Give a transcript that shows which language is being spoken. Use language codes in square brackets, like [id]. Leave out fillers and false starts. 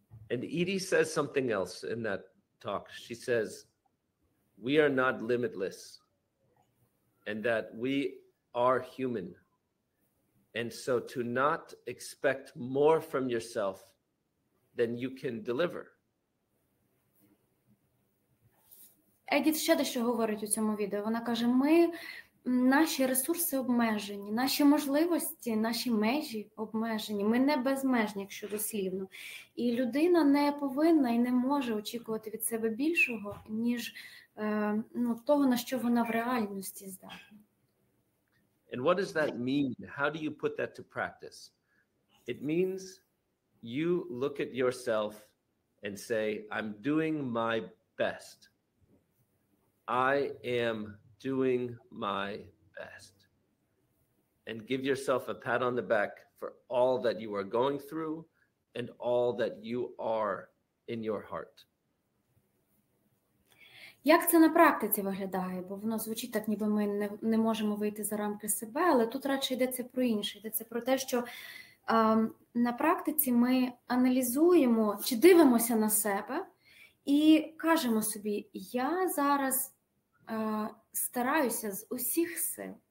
[en] And Edie says something else in that talk. She says, we are not limitless, and that we are human. And so to not expect more from yourself than you can deliver. [uk] Едіт ще дещо говорить у цьому відео. Вона каже, ми, наші ресурси обмежені, наші можливості, наші межі обмежені. Ми не безмежні, якщо дослівно. І людина не повинна і не може очікувати від себе більшого, ніж того, на що вона в реальності здатна. [en] And what does that mean? How do you put that to practice? It means you look at yourself and say, I'm doing my best. I am doing my best. And give yourself a pat on the back for all that you are going through and all that you are in your heart. [uk] Як це на практиці виглядає? Бо воно звучить так, ніби ми не можемо вийти за рамки себе, але тут радше йдеться про інше. Йдеться про те, що на практиці ми аналізуємо чи дивимося на себе і кажемо собі, я зараз стараюся з усіх сил.